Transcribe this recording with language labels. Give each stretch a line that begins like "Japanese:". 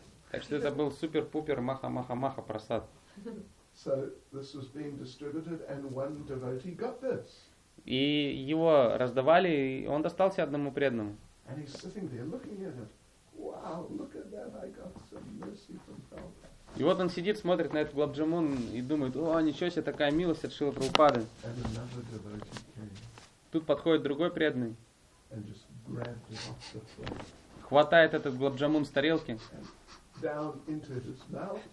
Russian: Так что это был супер-пупер маха-маха-маха прасад.
English: So this was being distributed and one devotee got this.
Russian: И его раздавали, и он достался одному преданному.
English: And he's sitting there looking at it. Wow, look at that, I got some mercy from Prabhupada.
Russian: И вот он сидит, смотрит на этот гулаб джамун и думает, о, ничего себе, такая милость от Шрилы Прабхупады.
English: And another devotee came.
Russian: Тут подходит другой преданный.
English: And just grabbed it off the plate.
Russian: Хватает этот гулаб джамун с тарелки.
English: Down into his mouth.